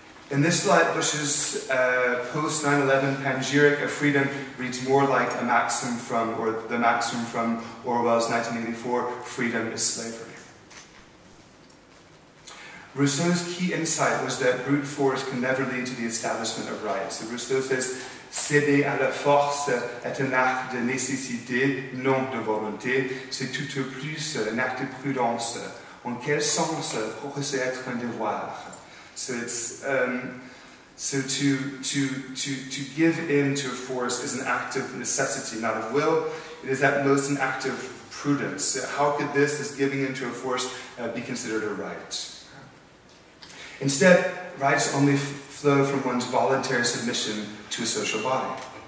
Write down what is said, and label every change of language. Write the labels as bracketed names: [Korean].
[English] In this light, Bush's post-9/11 panegyric of freedom reads more like the maxim from Orwell's 1984, freedom is slavery. Rousseau's key insight was that brute force can never lead to the establishment of rights. So Rousseau says, [French] céder à la force est un acte de nécessité, non de volonté, c'est tout au plus un acte de prudence. En quel sens pourrait-ce être un devoir? [English] So it's to give in to a force is an act of necessity, not of will. It is at most an act of prudence. How could this giving in to a force be considered a right? Instead, rights only flow from one's voluntary submission to a social body.